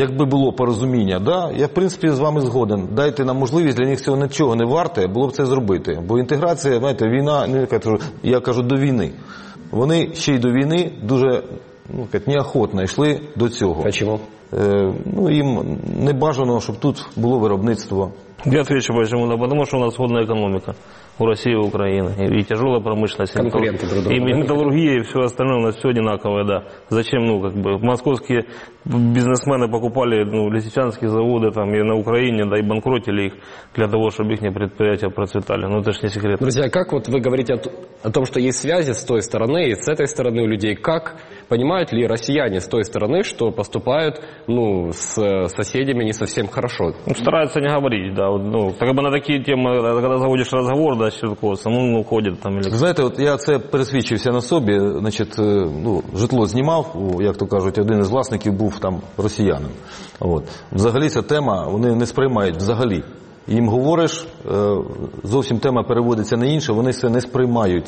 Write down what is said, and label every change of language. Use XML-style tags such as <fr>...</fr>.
<uk>Якби було порозуміння, да, я, в принципі, з вами згоден. Дайте нам можливість, для них цього нічого не варте, було б це зробити. Бо інтеграція, знаєте, війна, я кажу, до війни. Вони ще й до війни дуже, ну, як неохотно йшли до цього. А чому? Ну, їм не бажано, щоб тут було виробництво.</uk> <ru>Я отвечу, почему? Да, потому что у нас сходная экономика у России и Украины. И тяжелая промышленность. Конкуренты и металлургия, и все остальное у нас все одинаковое, да. Зачем, ну, как бы, московские бизнесмены покупали, ну, лисичанские заводы там и на Украине, да, и банкротили их для того, чтобы их предприятия процветали. Ну, это ж не секрет. Друзья, как вот вы говорите о том, что есть связи с той стороны и с этой стороны у людей? Как понимают ли россияне с той стороны, что поступают, ну, с соседями не совсем хорошо? Стараются не говорить, да,</ru> <uk>ну, так бы на такі теми, коли заводиш розговор, да, швидко, саму ну, ходять там. Или... Знаєте, от я це пересвідчився на собі, значить, ну, житло знімав, як то кажуть, один із власників був там росіянин. От. Взагалі ця тема, вони не сприймають взагалі. Їм говориш, зовсім тема переводиться на інше, вони це не сприймають.</uk>